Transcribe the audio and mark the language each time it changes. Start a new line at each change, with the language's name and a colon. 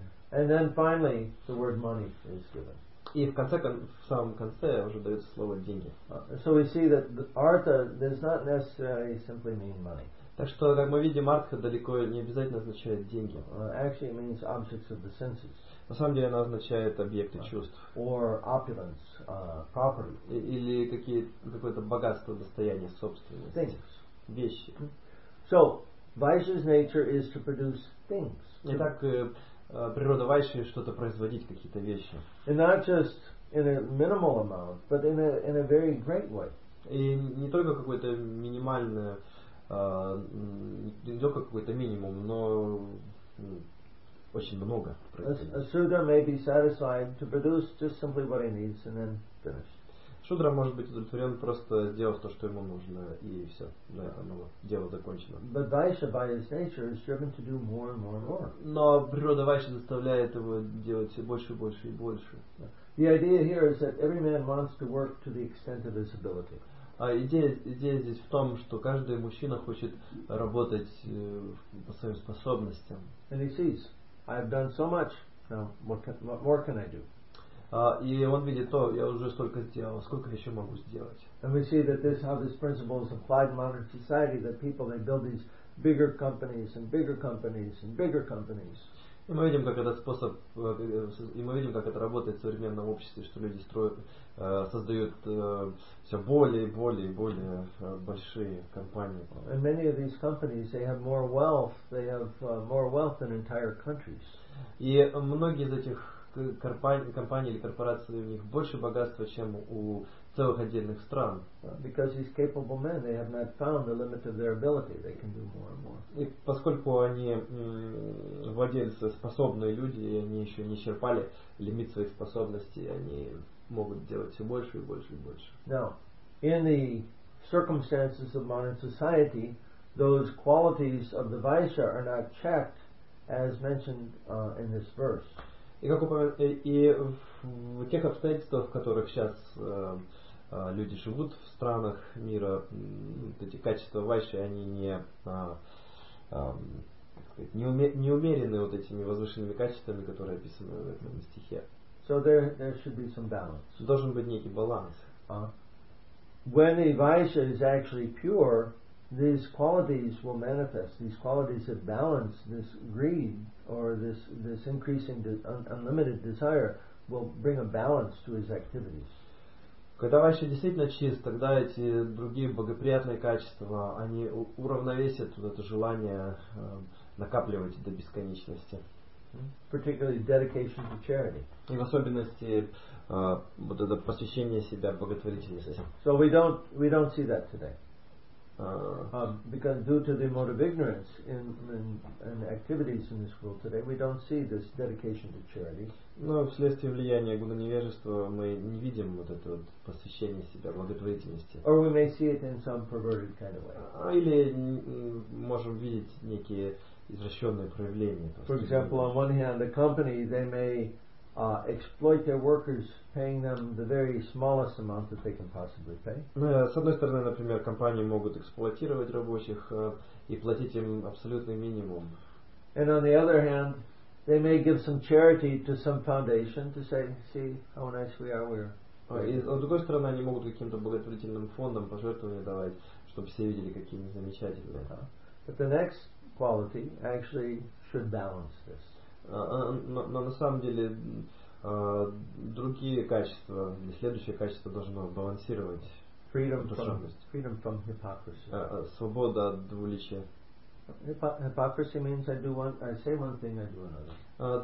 English: And then finally, the word money is given.
Russian: И в конце, в самом конце уже дается слово деньги.
English: So we see that artha does not necessarily simply mean money.
Russian: Так что, как мы видим, артха далеко не обязательно означает деньги.
English: Actually it means objects of the senses.
Russian: На самом деле она означает объекты чувств.
English: Or opulence, property.
Russian: Или какое-то богатство, достояние, собственность.
English: Things.
Russian: Вещи.
English: So, vaishya's nature is to produce things.
Russian: Итак, природа вайши что-то производить, какие-то вещи.
English: And not just in a minimal amount, but in a very great way.
Russian: И не только какое-то минимальное, не только какой-то минимум, но очень много.
English: A sudra may be satisfied to produce just simply what he needs and then finish.
Russian: Шудра может быть удовлетворен, просто сделав то, что ему нужно, и все. На этом дело закончено.
English: But Vaisha, by his nature, is driven to do more and more and more.
Russian: Но природа Вайши заставляет его делать все больше и больше и больше.
English: The idea here is that every man wants to work to the extent of his ability.
Russian: Идея здесь в том, что каждый мужчина хочет работать по своим способностям.
English: And he sees, I've done so much, now what more can I do?
Russian: И он видит то, я уже столько сделал, сколько еще могу сделать.
English: And we see that this, how this principle is applied in modern society, that people, they build these bigger companies and bigger companies and bigger companies.
Russian: И мы видим, как этот способ, и мы видим, как это работает в современном обществе, что люди строят, создают все более и более и более большие компании.
English: And many of these companies, they have more wealth than entire countries.
Russian: И многие из этих компаний или корпораций, у них больше богатства, чем у целых отдельных стран.
English: Because these capable men, they have not found the limit of their ability. They can do more and more.
Russian: И поскольку они владельцы, способные люди, и они еще не черпали лимит своих способностей, они могут делать все больше и больше и больше.
English: Now, in the circumstances of modern society, those qualities of the vaishya are not checked, as mentioned in this verse.
Russian: И как и в тех обстоятельствах, в которых сейчас люди живут в странах мира, эти качества вайши, они не умерены вот этими возвышенными качествами, которые описаны в этом стихе.
English: So there should be some balance.
Russian: Должен быть некий баланс.
English: When a vaisha is actually pure, these qualities will manifest. These qualities of balance, this greed or this increasing unlimited desire will bring a balance to his activities.
Russian: Когда вайша действительно чист, тогда эти другие благоприятные качества, они уравновесят вот это желание накапливать до бесконечности.
English: Particularly dedication to charity.
Russian: И в особенности вот это посвящение себя благотворительности.
English: So we don't see that today. Because due to the mode of ignorance in activities in this world today, we don't see this dedication to charity.
Russian: Но вследствие влияния гуна невежества мы не видим вот это вот посвящение себя благотворительности.
English: Or we may see it in some perverted kind of way.
Russian: Или можем видеть некие извращенные проявления.
English: For example, on one hand, the company, they may exploit their workers, paying them the very smallest amount that they can possibly pay.
Russian: С одной стороны, например, компании могут эксплуатировать рабочих и платить им абсолютный минимум.
English: And on the other hand, they may give some charity to some foundation to say, see how nice we are.
Russian: И с другой стороны, они могут каким-то благотворительным фондом пожертвования давать, чтобы все видели, какие они замечательные.
English: But the next quality actually should balance this.
Russian: Но на самом деле другие качества, следующее качество должно балансировать.
English: Freedom from hypocrisy.
Russian: Свобода от двуличия.
English: Hypocrisy means I say one thing, I do another.